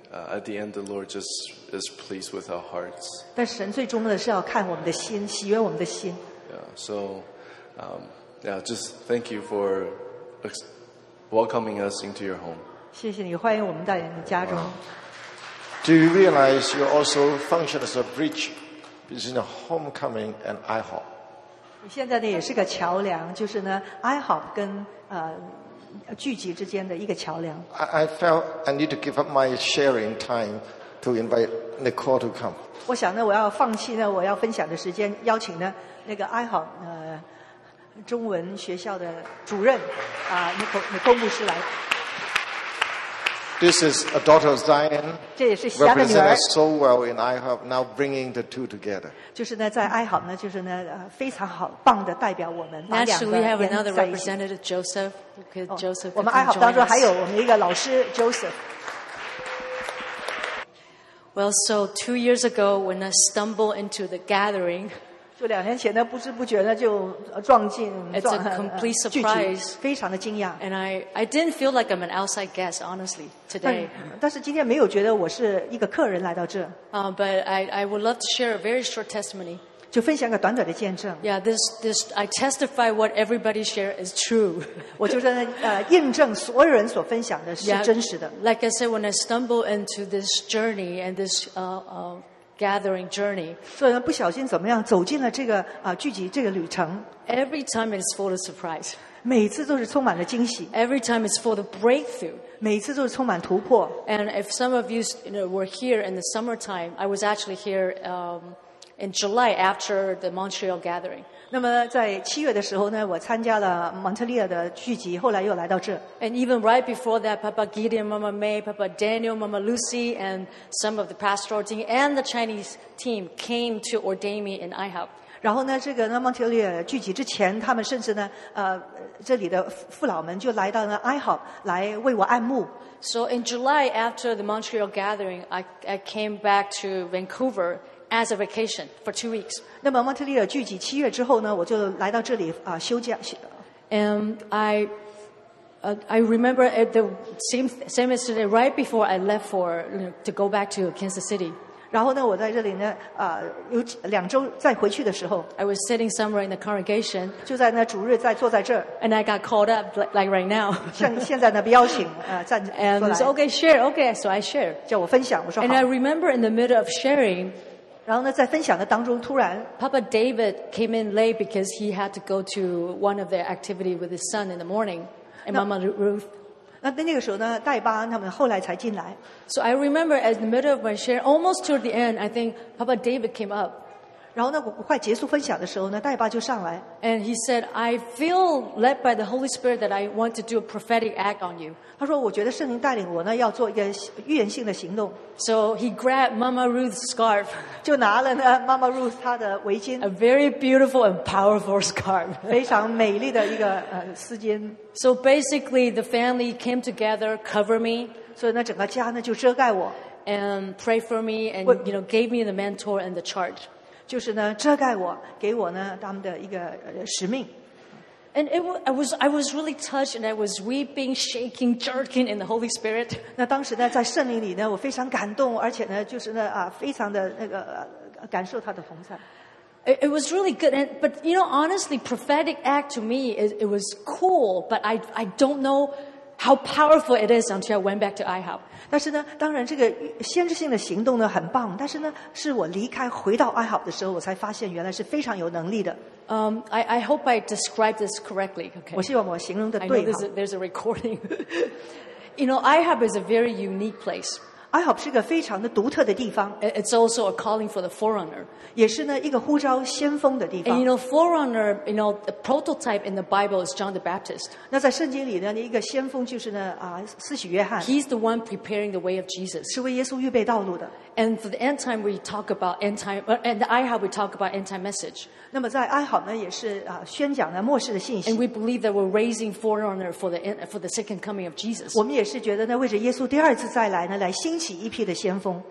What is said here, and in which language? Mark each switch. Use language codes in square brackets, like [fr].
[en] At the end, the Lord just is pleased with our hearts. [zh] 但神最重要的是要看我们的心，喜悦我们的心。 [en] Yeah. So, just thank you for welcoming us into your home. [zh] 谢谢你欢迎我们到你家中。 [en] Do you realize you also function as a bridge between the homecoming and IHOP? [zh] 你现在呢也是个桥梁，就是呢 IHOP 跟聚集之间的一个桥梁。 [en] I felt I need to give up my sharing time to invite Nicole to come. [zh] 我想呢，我要放弃呢，我要分享的时间，邀请呢那个IHOP中文学校的主任啊，Nicole牧师来。 [en] This is a daughter of Zion. Represents so well in IHOP, now bringing the two together. [zh] 就是呢，在 IHOP 呢，就是呢，非常好棒的代表我们。 [en] Naturally, we have another representative, Joseph. Joseph, [zh] 我们 IHOP 当中还有我们一个老师 Joseph。 [en] Well, so 2 years ago, when I stumbled into the gathering, [zh] 就两年前呢，不知不觉呢就撞进 [en] It's a complete surprise, [zh] 非常的惊讶 [en] And I didn't feel like I'm an outside guest, honestly, today. [zh] 但是今天没有觉得我是一个客人来到这。 [en] But I would love to share a very short testimony. [zh] 就分享个短短的见证。 [en] Yeah, this I testify what everybody share is true. [zh] 我就在印证所有人所分享的是真实的。 [en] Like I said, when I stumbled into this journey and this gathering journey. [zh] 所以不小心怎么样走进了这个聚集这个旅程。 [en] Every time it's full of surprise. [zh] 每次都是充满了惊喜。 [en] Every time it's full of breakthrough. [zh] 每次都是充满突破。 [en] And if some of you, you know, were here in the summertime, I was actually here in July after the Montreal gathering. [zh] 那么在七月的时候呢，我参加了蒙特利尔的聚集，后来又来到这。 [en] And even right before that, Papa Gideon, Mama May, Papa Daniel, Mama Lucy, and some of the pastoral team and the Chinese team came to ordain me in IHOP. [zh] 然后呢，这个蒙特利尔聚集之前，他们甚至呢，这里的父老们就来到了 IHOP 来为我按牧。 [en] So in July after the Montreal gathering, I came back to Vancouver. As a vacation for 2 weeks. [zh] 那么蒙特利尔聚集七月之后呢，我就来到这里休假。 [en] And I remember the same as today, right before I left for to go back to Kansas City. [zh] 然后呢，我在这里呢，有两周再回去的时候 [en] ，I was sitting somewhere in the congregation. [zh] 就在那主日在坐在这儿。 [en] And I got called up like right now. [zh] 像现在呢，被邀请站出来。 [en] And so okay, share. Okay, so I share. [zh] 叫我分享，我说好。 [en] And I remember in the middle of sharing. [zh] 然后呢，在分享的当中，突然 [en] ，Papa David came in late because he had to go to one of the activity with his son in the morning, and Mama Ruth. [zh] 那个时候呢，戴巴他们后来才进来。 [en] So I remember at the middle of my share, almost toward the end, I think Papa David came up. [zh] 然后呢，我快结束分享的时候呢，戴巴就上来。 [en] And he said, "I feel led by the Holy Spirit that I want to do a prophetic act on you." [zh] 他说，我觉得圣灵带领我呢，要做一个预言性的行动。 [en] So he grabbed Mama Ruth's scarf. [zh] 就拿了呢 ，Mama Ruth 她的围巾。 [en] A very beautiful and powerful scarf. [zh] 非常美丽的一个丝巾。 [en] So basically, the family came together, cover me. [zh] 所以呢，整个家呢就遮盖我。 [en] And pray for me, and you know, gave me the mentor and the charge. [zh] 就是呢，遮盖我，给我呢他们的一个使命。 [en] And I was really touched, and I was weeping, shaking, jerking in the Holy Spirit. [zh] 那当时呢，在圣灵里呢，我非常感动，而且呢，就是呢非常的那个感受他的同在。 [en] It was really good, and but you know, honestly, prophetic act to me it was cool, but I don't know how powerful it is until I went back to IHOP. [zh] 但是呢，当然这个先知性的行动呢很棒，但是呢，是我离开回到 IHOP 的时候，我才发现原来是非常有能力的。 [en] I hope I describe this correctly. Okay. [zh] 我希望我形容的对。 [en] I know there's a recording. You know, IHOP is a very unique place. [zh] IHOP 是一个非常的独特的地方。 [en] It's also a calling for the forerunner. [zh] 也是呢一个呼召先锋的地方。 [en] And you know, forerunner, you know, the prototype in the Bible is John the Baptist. [zh] 那在圣经里呢，一个先锋就是呢施洗约翰。 [en] He's the one preparing the way of Jesus. [zh] 是为耶稣预备道路的。 [en] And for the end time, we talk about end time. And IHOP, we talk about end time message. [zh] 那么在 IHOP 呢，也是宣讲呢末世的信息。 [en] And we believe that we're raising forerunner for the second coming of Jesus. [zh] 我们也是觉得呢，为着耶稣第二次再来呢，来兴起一批的先锋。